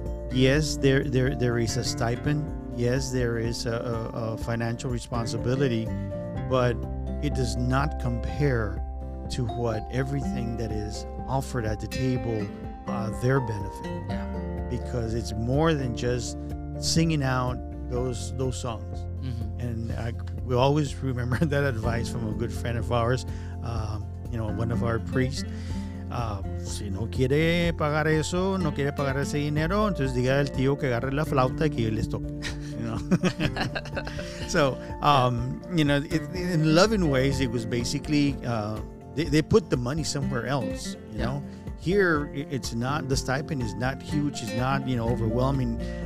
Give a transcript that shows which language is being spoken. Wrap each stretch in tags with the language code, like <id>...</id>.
<en>Yes, there is a stipend. Yes, there is a financial responsibility, but it does not compare to what everything that is offered at the table, their benefit. Yeah. Because it's more than just singing out those songs. Mm-hmm. And we always remember that advice from a good friend of ours, one of our priests.</en> <es>Si no quiere pagar eso, no quiere pagar ese dinero, entonces diga al tío que agarre la flauta y que yo les toque.</es> <en>So, in loving ways, it was basically, they put the money somewhere else, you know. Here, it's not, the stipend is not huge, it's not, you know, overwhelming.</en>